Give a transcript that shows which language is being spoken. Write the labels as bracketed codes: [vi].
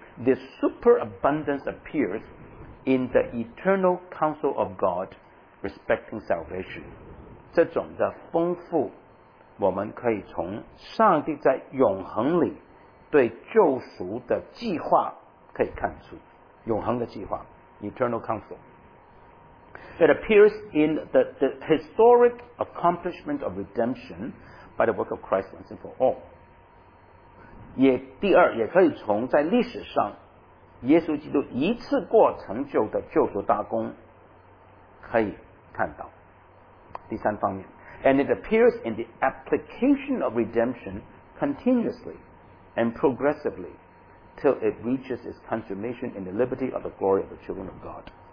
[en] This superabundance appears in the eternal counsel of God respecting salvation. [zh] 这种的丰富, 我们可以从上帝在永恒里对救赎的计划可以看出永恒的计划 Eternal Counsel. [en] It appears in the historic accomplishment of redemption by the work of Christ once and for all. [zh] 第二也可以从在历史上耶稣基督一次过成就的救赎大功可以看到第三方面 [en] And it appears in the application of redemption continuously and progressively till it reaches its consummation in the liberty of the glory of the children of God.